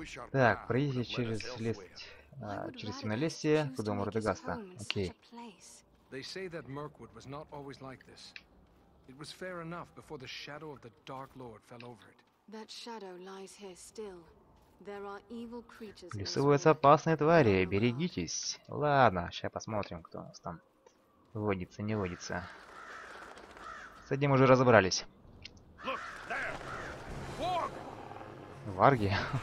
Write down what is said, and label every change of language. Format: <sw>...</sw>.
<ru>Так, пройдите через Семнолесье к дому Радагаста. Окей.</ru> <en>They say that Mirkwood was not always like this. It was fair enough before the shadow of the Dark Lord fell over it. That shadow lies here still. There are evil creatures.</en> <ru>Плюсуются опасные твари, берегитесь. Ладно, сейчас посмотрим, кто у нас там водится, не водится. С одним уже разобрались. Варги.</ru>